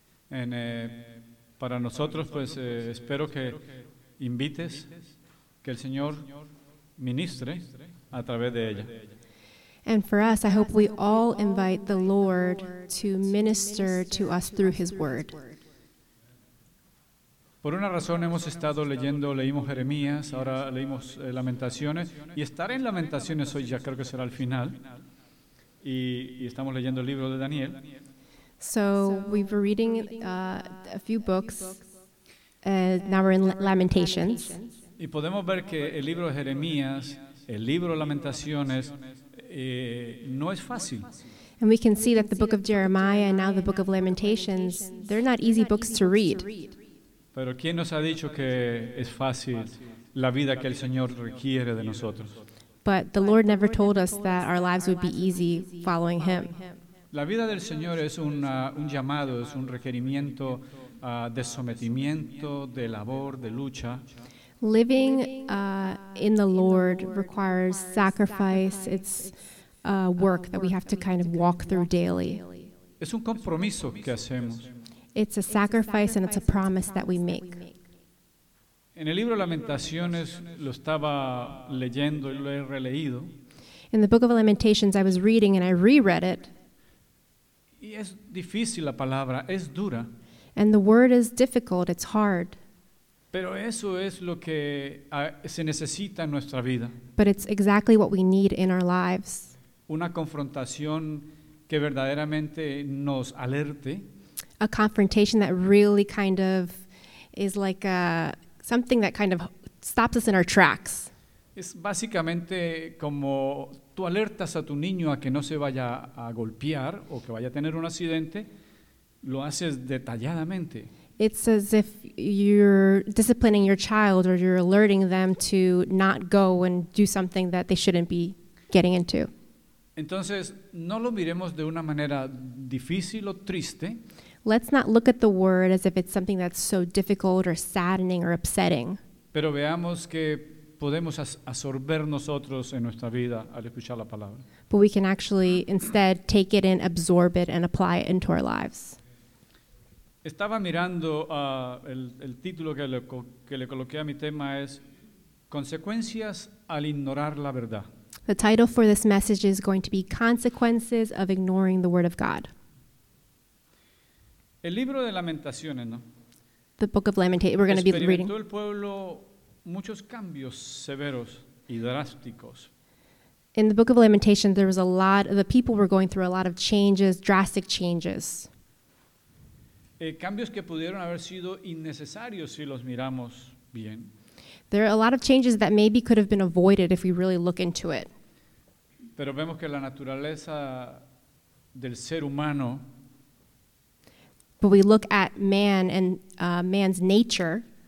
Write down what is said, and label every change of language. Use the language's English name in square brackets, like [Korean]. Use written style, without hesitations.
[Spanish] And para nosotros, pues, espero que invites, que el Señor ministre a través de ella. [English] And for us, I hope we all invite the Lord to minister to us through His Word. [Spanish] Por una razón hemos estado leyendo, leímos Jeremías, ahora leímos Lamentaciones, y estar en Lamentaciones hoy ya creo que será el final, y estamos leyendo el libro de Daniel. [English] So we've been reading a few books, and now we're in Lamentations. [Spanish] Y podemos ver que el libro de Jeremías, el libro de Lamentaciones, no es fácil. [English] And we can see that the book of Jeremiah and now the book of Lamentations, they're not easy books to read. [Spanish] Pero ¿quién nos ha dicho que es fácil la vida que el Señor requiere de nosotros? [English] But the Lord never told us that our lives would be easy following Him. [Spanish] La vida del Señor es un llamado, es un requerimiento de sometimiento, de labor, de lucha. [English] Living in the Lord requires sacrifice. It's work that we have to kind of walk through daily. [Spanish] Es un compromiso que hacemos. [English] It's a sacrifice and it's a promise that we make. [Spanish] En el libro Lamentaciones lo estaba leyendo y lo he releído. [English] In the book of Lamentations, I was reading and I reread it. [Spanish] Y es difícil la palabra, es dura. [English] And the word is difficult, it's hard. [Spanish] Pero eso es lo que se necesita en nuestra vida. [English] But it's exactly what we need in our lives. [Spanish] Una confrontación que verdaderamente nos alerte. [English] A confrontation that really kind of is like a something that kind of stops us in our tracks. [Spanish] Es básicamente como tú alertas a tu niño a que no se vaya a golpear o que vaya a tener un accidente, lo haces detalladamente. [English] It's as if you're disciplining your child or you're alerting them to not go and do something that they shouldn't be getting into. [Spanish] Entonces, no lo miremos de una manera difícil o triste. [English] Let's not look at the word as if it's something that's so difficult or saddening or upsetting. [Spanish] Pero veamos que podemos absorber nosotros en nuestra vida al escuchar la palabra. [English] But we can actually instead take it in, absorb it, and apply it into our lives. [Spanish] Estaba mirando el título que le coloqué a mi tema es Consecuencias al ignorar la verdad. [English] The title for this message is going to be Consequences of Ignoring the Word of God. [Spanish] El libro de Lamentaciones, ¿no? [English] The book of Lamentations, we're going to be reading. [Spanish] Experimentó el pueblo muchos cambios severos y drásticos. [English] In the book of Lamentations, there was a lot, the people were going through a lot of changes, drastic changes. [Spanish] Cambios que pudieron haber sido innecesarios si los miramos bien. [English] There are a lot of changes that maybe could have been avoided if we really look into it. [Spanish] Pero vemos que la naturaleza del ser humano. [English] But we look at man and man's nature.